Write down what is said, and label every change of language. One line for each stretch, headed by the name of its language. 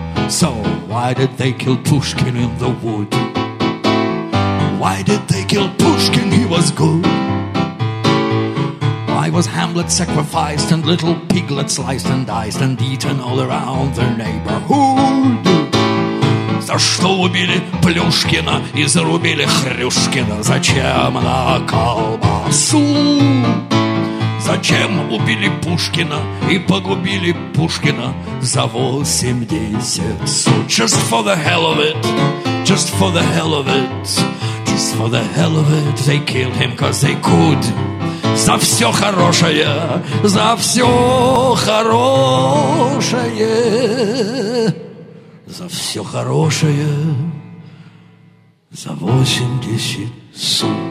English: So why did they kill Pushkin in the wood? Why did they kill Pushkin? He was good. Why was Hamlet sacrificed and little Piglet sliced and diced and eaten all around the neighborhood?
Russian: За что убили Плюшкина и зарубили Хрюшкина? Зачем на колбасу? Зачем убили Пушкина и погубили Пушкина за 80 су?
English: Just for the hell of it, just for the hell of it, just for the hell of it, they killed him 'cause they could.
Russian: За все хорошее, за все хорошее, за все хорошее, за 80 су.